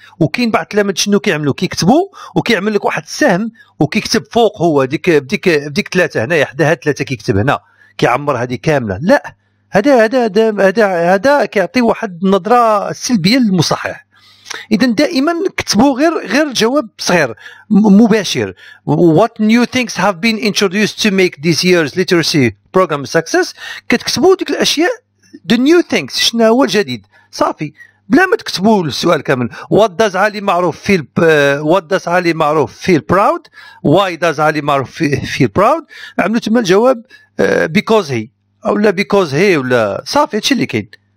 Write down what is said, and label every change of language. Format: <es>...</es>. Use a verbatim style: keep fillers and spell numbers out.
<ar>وكاين بعض التلاميذ شنو كيعملوا، كيكتبوا وكيعمل لك واحد السهم وكيكتب فوق هو ديك بديك بديك ثلاثه هنايا حداها ثلاثه، كيكتب هنا كيعمر هذه كامله، لا. هذا هذا هذا هذا كيعطي واحد النظره سلبيه للمصحح. اذا دائما كتبوا غير غير جواب صغير مباشر.</ar> <en>What new things have been introduced to make this year's literacy program success.</en> <ar>كتكتبوا ديك الاشياء</ar> <en>the new things،</en> <ar>شنو هو الجديد صافي، بلا ما تكتبوا السؤال كامل.</ar> <en>What does علي معروف feel What does علي معروف feel proud Why does علي معروف feel proud.</en> <ar>عملوا تما الجواب</ar> <en>because he</en> <ar>او لا because he ولا صافي، هادشي اللي كاين.</ar>